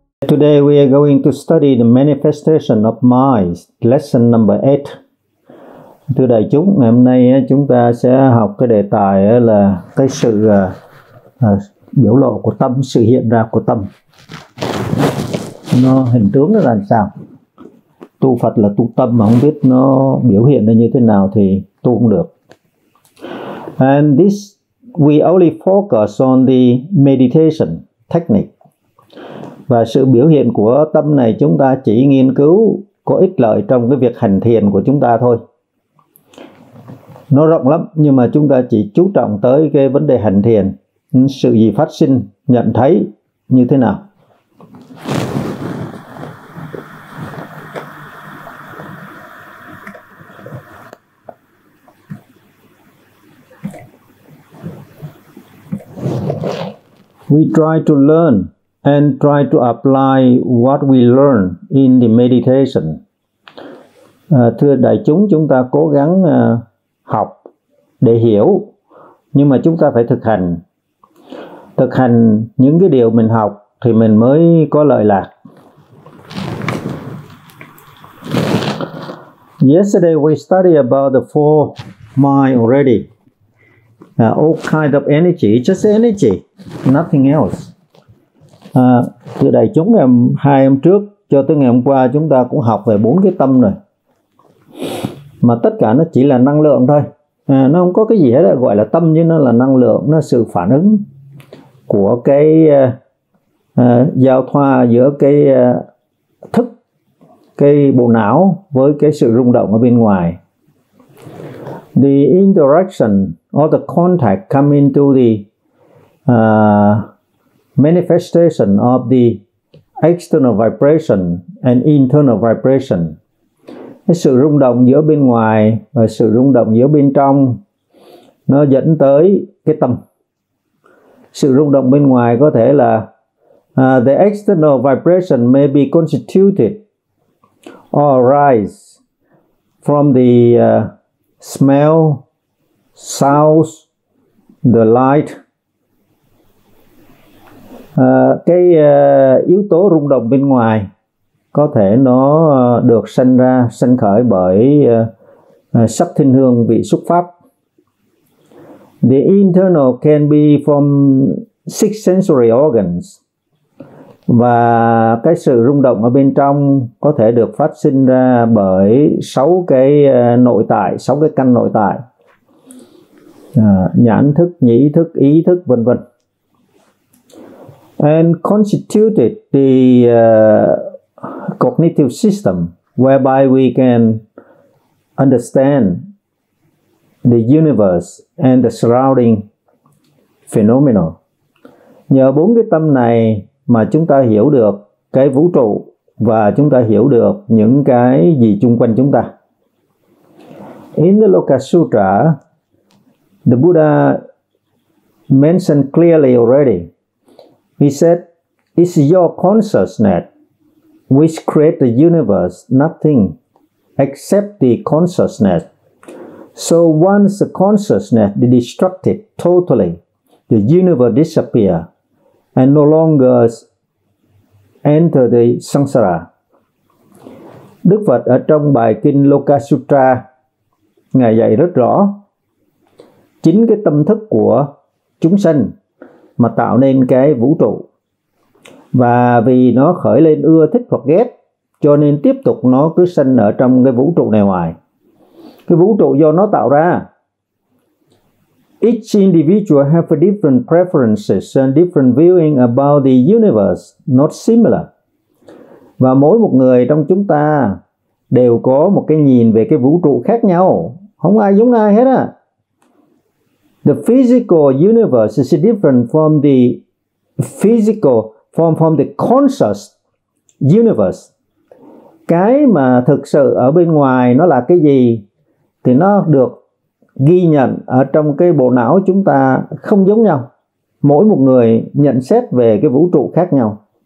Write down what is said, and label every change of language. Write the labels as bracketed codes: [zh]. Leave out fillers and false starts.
[en] are going to study the manifestation of mind, lesson number 8. [vi] Thưa đại chúng, ngày hôm nay chúng ta sẽ học cái đề tài là cái sự biểu lộ của tâm, sự hiện ra của tâm. Nó hình tướng nó là sao? Tu Phật là tu tâm mà không biết nó biểu hiện ra như thế nào thì tu không được. [en] And this, we only focus on the meditation technique. [vi] Và sự biểu hiện của tâm này chúng ta chỉ nghiên cứu có ích lợi trong cái việc hành thiền của chúng ta thôi. Nó rộng lắm, nhưng mà chúng ta chỉ chú trọng tới cái vấn đề hành thiền, sự gì phát sinh, nhận thấy như thế nào. [en] We try to learn and try to apply what we learn in the meditation. [vi] Thưa đại chúng, chúng ta cố gắng học để hiểu, nhưng mà chúng ta phải thực hành. Thực hành những cái điều mình học thì mình mới có lợi lạc. [en] Yesterday we studied about the four mind already. All kind of energy, just energy, nothing else. [vi] Từ đại chúng ngày hai hôm trước cho tới ngày hôm qua chúng ta cũng học về bốn cái tâm rồi, mà tất cả nó chỉ là năng lượng thôi, nó không có cái gì hết gọi là tâm, nhưng nó là năng lượng, nó sự phản ứng của cái giao thoa giữa cái thức, cái bộ não với cái sự rung động ở bên ngoài. [en] The interaction or the contact come into the manifestation of the external vibration and internal vibration. [vi] Cái sự rung động giữa bên ngoài và sự rung động giữa bên trong nó dẫn tới cái tâm. Sự rung động bên ngoài có thể là [en] the external vibration may be constituted or arise from the smell, sounds, the light. [vi] Cái yếu tố rung động bên ngoài có thể nó được sanh ra, sanh khởi bởi sắc thinh hương vị xúc pháp. [en] The internal can be from six sensory organs. [vi] Và cái sự rung động ở bên trong có thể được phát sinh ra bởi sáu cái nội tại, sáu cái căn nội tại. Nhãn thức, nhĩ thức, ý thức, vân vân. [en] And constituted the cognitive system whereby we can understand the universe and the surrounding phenomena. [vi] Nhờ bốn cái tâm này mà chúng ta hiểu được cái vũ trụ và chúng ta hiểu được những cái gì chung quanh chúng ta. [en] In the Loka Sutra, the Buddha mentioned clearly already. He said, it's your consciousness which creates the universe, nothing except the consciousness. So once the consciousness is destructed totally, the universe disappears and no longer enter the samsara. [vi] Đức Phật ở trong bài kinh Loka Sutra, Ngài dạy rất rõ, chính cái tâm thức của chúng sanh mà tạo nên cái vũ trụ. Và vì nó khởi lên ưa thích hoặc ghét, cho nên tiếp tục nó cứ sanh ở trong cái vũ trụ này hoài. Cái vũ trụ do nó tạo ra. [en] Each individual have a different preferences and different viewing about the universe, not similar. [vi] Và mỗi một người trong chúng ta đều có một cái nhìn về cái vũ trụ khác nhau, không ai giống ai hết á. [en] The physical universe is different from the physical from the conscious universe. [vi] Cái mà thực sự ở bên ngoài nó là cái gì thì nó được ghi nhận ở trong cái bộ não chúng ta không giống nhau. Mỗi một người nhận xét về cái vũ trụ khác nhau.